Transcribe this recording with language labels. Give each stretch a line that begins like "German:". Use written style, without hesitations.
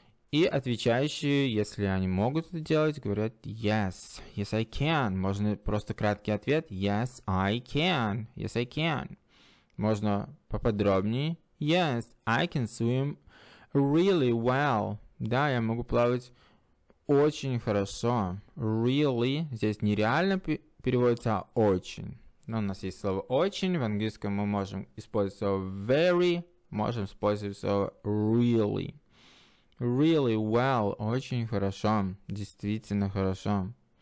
Russian: И отвечающие, если они могут это делать, говорят yes.
English: Yes, I can.
Russian: Можно просто краткий ответ.
English: Yes, I can. Yes, I can.
Russian: Можно поподробнее.
English: Yes, I can swim really well.
Russian: Да, я могу плавать очень хорошо. Really здесь нереально переводится, а очень. Но у нас есть слово очень. В английском мы можем использовать слово very, можем использовать слово really.
English: Really well.
Russian: Очень хорошо. Действительно хорошо.